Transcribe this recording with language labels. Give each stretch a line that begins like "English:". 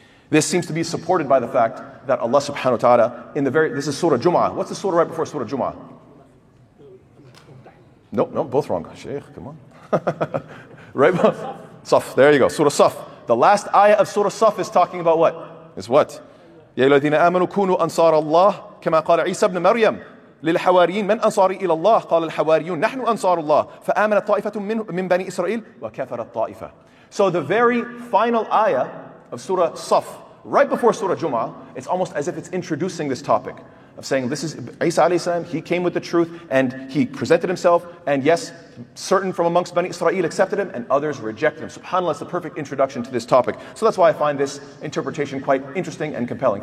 English: This seems to be supported by the fact that Allah subhanahu wa ta'ala, this is Surah Jum'ah. What's the Surah right before Surah Jum'ah? Nope, both wrong. Sheikh, come on. Right? Saf, there you go. Surah Saf. The last ayah of Surah Saf is talking about what? is what?
Arabic: يا الذين آمنوا كونوا أنصار الله كما قال عيسى ابن مريم للحواريين من أنصاري إلى الله قال الحواريون نحن أنصار الله فآمنت طائفة من بني إسرائيل وكفرت طائفة.
English: So the very final ayah of Surah Saf, right before Surah Jum'ah, it's almost as if it's introducing this topic of saying, this is Isa alayhi salam, he came with the truth and he presented himself, and yes, certain from amongst Bani Israel accepted him and others rejected him. SubhanAllah, it's the perfect introduction to this topic. So that's why I find this interpretation quite interesting and compelling.